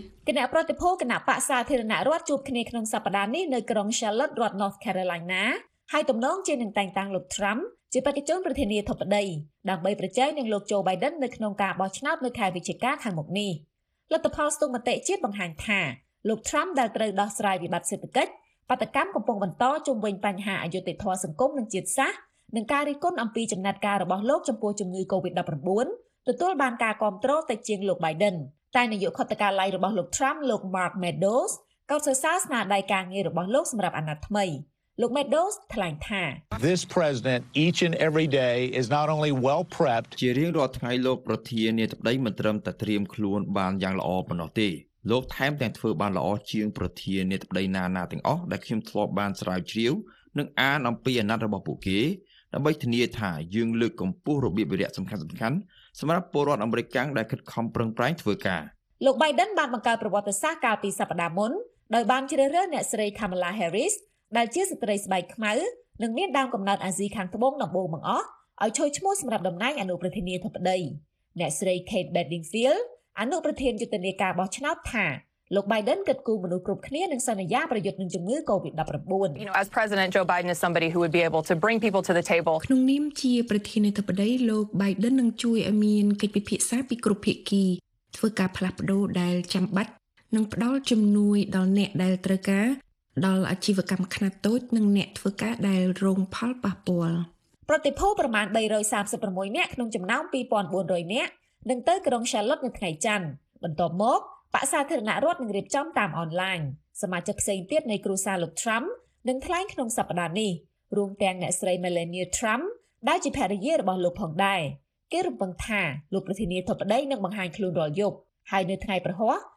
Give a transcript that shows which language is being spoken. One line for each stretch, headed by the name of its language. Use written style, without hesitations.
Khmer: គណៈប្រតិភូគណៈបក្សសាធារណរដ្ឋជួបគ្នាក្នុងសប្តាហ៍នេះនៅក្រុង Charlotte រដ្ឋ North Carolina ហើយតំណងជានឹងតែងតាំងលោក Trump ជាបេក្ខជនប្រធានាធិបតីដើម្បីប្រជែងនឹងលោក Joe Biden នៅក្នុងការបោះឆ្នោតនៅខែវិច្ឆិកាខាងមុខនេះលទ្ធផលស្ទង់មតិជាតិបង្ហាញថាលោកត្រាំដែលត្រូវដោះស្រាយវិបត្តិសេដ្ឋកិច្ចបាតកម្មកំពុងបន្តជំវិញបញ្ហាអយុត្តិធម៌សង្គមនិងជាតិសាសន៍និងការរិះគន់អំពីចំណាត់ការរបស់លោកចំពោះជំងឺ COVID-19 ទទួលបានការគាំទ្រទៅជាងលោក Biden តែនាយកខុទ្ទកាល័យរបស់លោកត្រាំលោក Mark Meadows ក៏សរសើរស្នាដៃការងាររបស់លោកសម្រាប់អនាគតថ្មីលោក Meadows ថ្លែងថា
English: This president each and every day is not only well prepped
Khmer: ជារៀងរាល់ថ្ងៃលោកប្រធាននាយកប្រដីមិនត្រឹមតែត្រៀមខ្លួនបានយ៉ាងល្អប៉ុណ្ណោះទេលោកថែមទាំងធ្វើបានល្អជាងប្រធានាធិបតីណាណាទាំងអស់ដែលខ្ញុំធ្លាប់បានស្រាវជ្រាវនិងអានអំពីអាណត្តិរបស់ពួកគេដើម្បីធានាថាយើងលើកកម្ពស់របៀបវិរៈសំខាន់ៗសម្រាប់ពលរដ្ឋអាមេរិកដែលខិតខំប្រឹងប្រែងធ្វើការ លោក Biden បានបង្កើតប្រវត្តិសាស្ត្រកាលពីសប្តាហ៍មុនដោយបានជ្រើសរើសអ្នកស្រី Kamala Harris ដែលជាស្ត្រីស្បែកខ្មៅនិងមានដើមកំណើតអាស៊ីខាងត្បូងដំបូងបង្អស់ឲ្យចូលឈ្មោះសម្រាប់តំណែងអនុប្រធានាធិបតីអ្នកស្រី Kate Bedingfield អនុប្រធានយុទ្ធនាការបោះឆ្នោតថាលោក Biden គិតគូរមនុស្សគ្រប់គ្នានឹងសន្យាប្រយុទ្ធនឹងជំងឺ COVID-19
English: You know as President Joe Biden is somebody who would be able to bring people to the table
Khmer: ក្នុងនាមជាប្រធានាធិបតីលោក Biden នឹងជួយឲ្យមានកិច្ចពិភាក្សាពីគ្រប់ភាគីធ្វើការផ្លាស់ប្ដូរដែលចាំបាច់និងផ្ដល់ជំនួយដល់អ្នកដែលត្រូវការដល់អាជីវកម្មខ្នាតតូចនិងអ្នកធ្វើការដែលរងផលប៉ះពាល់ប្រតិភូប្រមាណ336អ្នកក្នុងចំណោម2400អ្នកនឹងទៅក្រុង Charlotte នៅថ្ងៃច័ន្ទបន្ទាប់មកបក្សសាធារណរដ្ឋនឹងរៀបចំតាមអនឡាញសមាជិកផ្សេងទៀតនៃគ្រួសារលោក Trump នឹងថ្លែងក្នុងសប្តាហ៍នេះរួមទាំងអ្នកស្រី Melania Trump ដែលជាភរិយារបស់លោកផងដែរគេរំពឹងថាលោកប្រធានាធិបតីនឹងបង្ហាញខ្លួនរាល់យប់ហើយនៅថ្ងៃប្រហ័ស